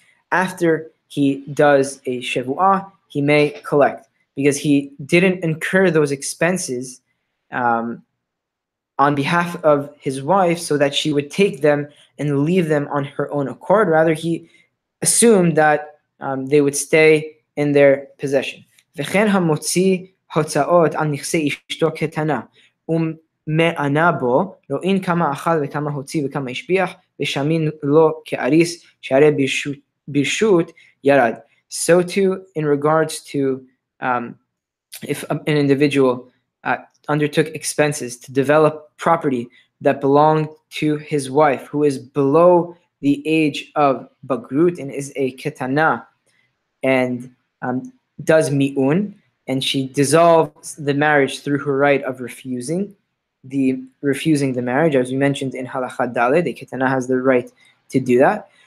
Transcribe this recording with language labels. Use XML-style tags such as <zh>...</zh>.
<en>After he does a shevuah, he may collect, because he didn't incur those expenses on behalf of his wife so that she would take them and leave them on her own accord. Rather, he assumed that they would stay in their possession.</en> <he>וכן המוציא הוצאות על נכסי אשתו קטנה, ומענה בו, רואין כמה אכל וכמה הוציא וכמה השביח, ושמין לו כאריס, שהרי ברשות ירד.</he> <en>So too, in regards to if an individual undertook expenses to develop property that belonged to his wife, who is below the age of Bagrut and is a Ketana, and does mi'un, and she dissolves the marriage through her right of refusing the marriage, as we mentioned in Halakha Dalet, the Ketana has the right to do that.</en>